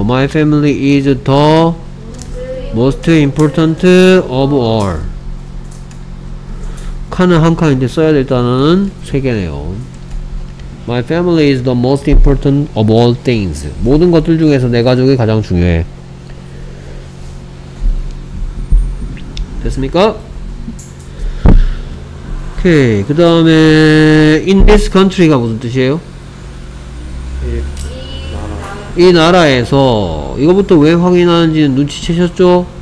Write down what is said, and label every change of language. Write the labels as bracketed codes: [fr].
[en] My family is the most important of all. [ko] 칸은 한 칸인데 써야 될 단어는 세 개네요. [en] My family is the most important of all things. [ko] 모든 것들 중에서 내 가족이 가장 중요해. 됐습니까? 오케이. 그 다음에 in this country가 무슨 뜻이에요? 이 나라에서 이거부터 왜 확인하는지 눈치채셨죠?